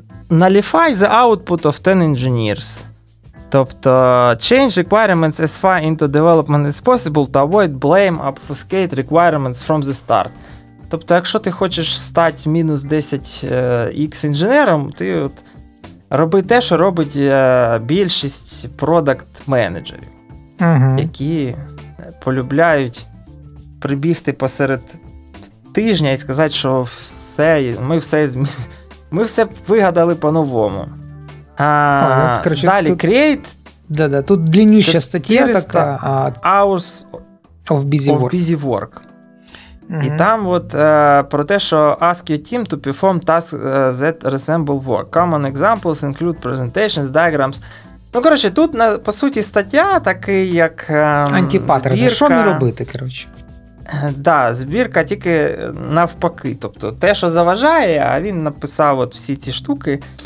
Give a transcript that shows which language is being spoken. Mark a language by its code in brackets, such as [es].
[en] Nullify the output of 10 engineers. [uk] Тобто, [en] change requirements as far into development as possible to avoid blame obfuscate requirements from the start. [uk] Тобто, якщо ти хочеш стати мінус 10x інженером, ти от роби те, що робить більшість product менеджерів, які полюбляють прибігти посеред тижня і сказати, що все, ми все змінили. Ми все вигадали по-новому. Короче, далі, тут, create. Да-да, тут длиннюща стаття така. [en] Hours of busy work. [uk] І там от про те, що [en] ask your team to perform tasks that resemble work. Common examples include presentations, diagrams. [uk] Ну, коротше, тут, по суті, стаття такий, як антипаттерн. Збірка. Що не робити, коротше? Да, збірка тільки навпаки. Тобто те, що заважає, а він написав от всі ці штуки.